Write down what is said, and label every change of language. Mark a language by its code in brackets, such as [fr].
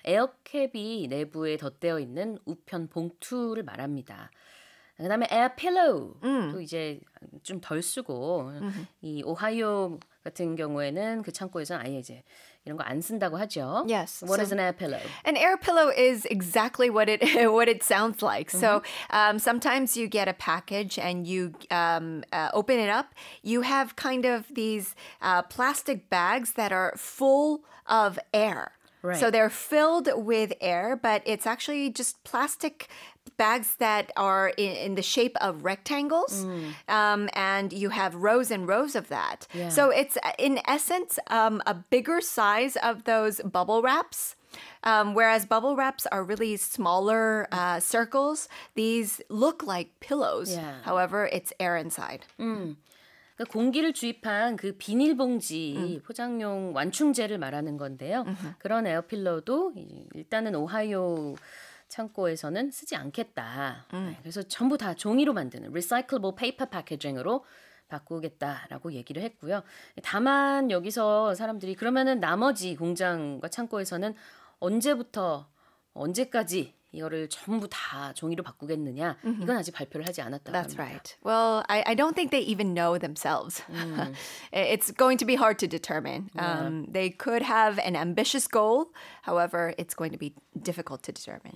[ko] 에어캡이 내부에 덧대어 있는 우편 봉투를 말합니다. 그 다음에 에어 필로우도 이제 좀 덜 쓰고 이 오하이오 같은 경우에는 그 창고에서는 아예 이제 이런 거 안 쓴다고 하죠. [en] Yes. What is an air pillow? An air pillow is exactly what it sounds like. So sometimes you get a package and you open it up. You have kind of these plastic bags that are full of air. Right. So they're filled with air, but it's actually just plastic bags that are in the shape of rectangles, and you have rows and rows of that. Yeah. So it's, in essence, a bigger size of those bubble wraps, whereas bubble wraps are really smaller circles. These look like pillows. Yeah. However, it's air inside. Mm. [ko] 공기를 주입한 그 비닐봉지 포장용 완충재를 말하는 건데요. Mm-hmm. 그런 에어필러도 일단은 오하이오 창고에서는 쓰지 않겠다. 그래서 전부 다 종이로 만드는 [en] recyclable paper packaging [ko] 으로 바꾸겠다라고 얘기를 했고요. 다만 여기서 사람들이 그러면은 나머지 공장과 창고에서는 언제부터 언제까지 이거를 전부 다 종이로 바꾸겠느냐? 이건 아직 발표를 하지 않았다고 합니다. [en] That's right. Well, I don't think they even know themselves. It's going to be hard to determine. They could have an ambitious goal. However, it's going to be difficult to determine.